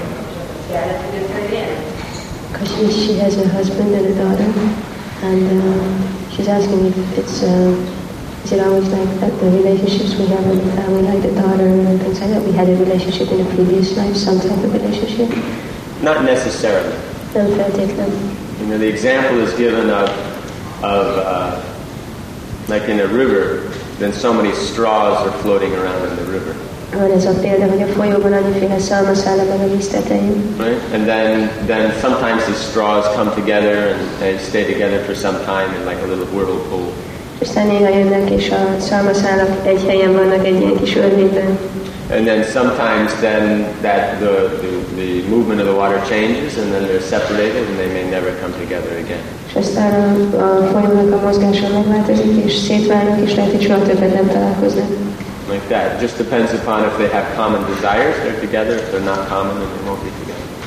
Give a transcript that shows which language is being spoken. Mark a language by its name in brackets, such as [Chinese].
[English] She has a husband and a daughter, and she's asking if is it always like that, the relationships we have in the family, like the daughter and things like that? We had a relationship in a previous life, some type of relationship? Not necessarily. No, practically. You know, the example is given of in a river, then so many straws are floating around in the river. [Hungarian] Van ez a példa, hogy a folyóban annyiféle szalmaszál van a víz tetején. [English] Right? And then sometimes the straws come together and they stay together for some time in like a little whirlpool. [Hungarian] És néha jönnek, és a szalmaszálak egy helyen vannak, egy ilyen kis örvényben. [English] And then sometimes then that the movement of the water changes and then they're separated and they may never come together again. [Hungarian] És aztán a folyamatok a mozgása megváltozik, és szétválnak, és lehet, hogy soha többet nem találkoznak. [English] Like that. Just depends upon if they have common desires, they're together. If they're not common, then they won't be together.